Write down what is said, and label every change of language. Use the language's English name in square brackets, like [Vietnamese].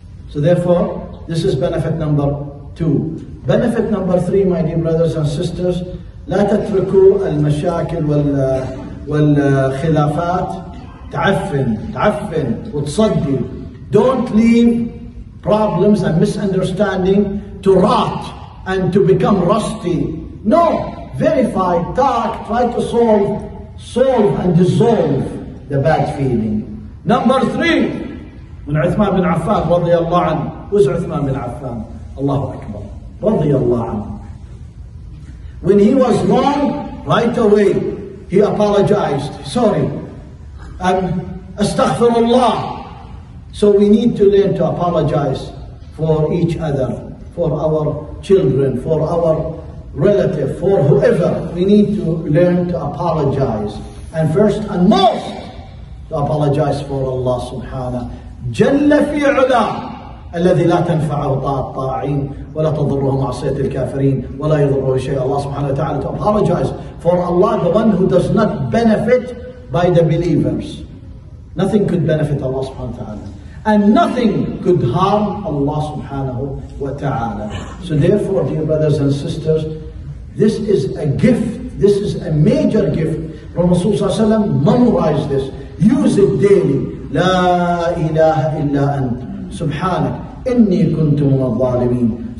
[English] So therefore, this is benefit number two. Benefit number three, my dear brothers and sisters, [Arabic] لا تتركوا المشاكل والخلافات تعفن وتصدي. [English] Don't leave problems and misunderstanding to rot and to become rusty. No, verify, talk, try to solve and dissolve the bad feeling. Number three, [Arabic] من عثمان بن عفان رضي الله عنه. [English] Who's [Arabic] عثمان بن عفان؟ الله أكبر. رضي الله عنه. [English] When he was wrong, right away, he apologized. Sorry. Astaghfirullah. So we need to learn to apologize for each other, for our children, for our relative, for whoever. We need to learn to apologize. And first and most, to apologize for Allah subhanahu. [Arabic] جل في علا الذي لا تنفعه طاعة الطاعين ولا تضره معصية الكافرين ولا يضره شيء. [English] الله سبحانه وتعالى to apologize for Allah, the one who does not benefit by the believers. Nothing could benefit Allah سبحانه وتعالى and nothing could harm Allah سبحانه وتعالى. So therefore, dear brothers and sisters, this is a gift, this is a major gift. Rasulullah صلى الله عليه وسلم memorize this, use it daily. [Arabic] لا إله إلا أنت سبحانك إني كنت من الظالمين.